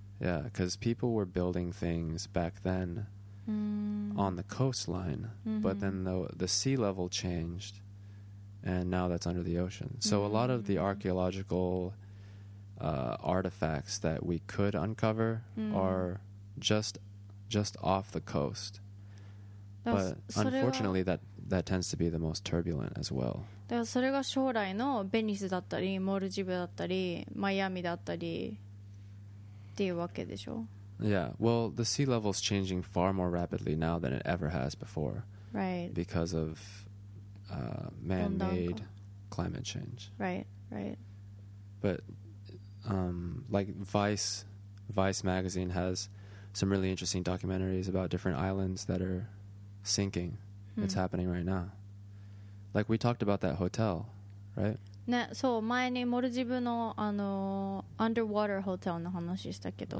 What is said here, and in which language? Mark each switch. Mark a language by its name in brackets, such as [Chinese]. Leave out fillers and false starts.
[English] Yeah, because people were building things back then on the coastline, but then the sea level changed, and now that's under the ocean. So a lot of the archaeological artifacts that we could uncover are just off the coast. But unfortunately, that tends to be the most turbulent as well. [Japanese] だからそれが将来のベニスだったり、モルジブだったり、マイアミだったりっていうわけでしょ? [English] Yeah, well, the sea level is changing far more rapidly now than it ever has before. Right. Because of man-made climate change. Right, right. But like Vice magazine has some really interesting documentaries about different islands that are sinking. Hmm. It's happening right now. Like we talked about that hotel, right? [Japanese] ね、そう前にモルジブのあのアンダーウォーターホテルの話したけど、